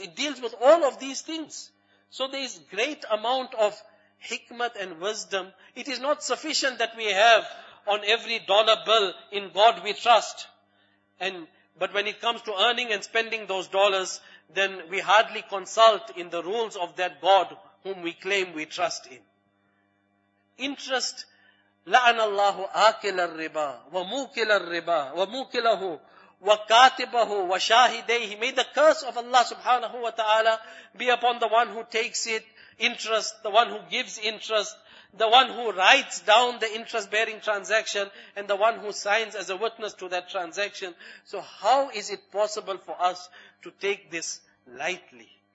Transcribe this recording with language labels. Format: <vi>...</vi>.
<en>It deals with all of these things. So there is great amount of hikmat and wisdom. It is not sufficient that we have on every dollar bill, in God we trust. But when it comes to earning and spending those dollars, then we hardly consult in the rules of that God whom we claim we trust in. Interest,</en> <ar>لَعَنَ اللَّهُ آكِلَ الرِّبَى وَمُوكِلَ الرِّبَى وَمُوكِلَهُ وَكَاتِبَهُ وَشَاهِدَيْهِ.</ar> <en>May the curse of Allah subhanahu wa ta'ala be upon the one who takes it, interest, the one who gives interest, the one who writes down the interest-bearing transaction, and the one who signs as a witness to that transaction. So how is it possible for us to take this lightly?</en>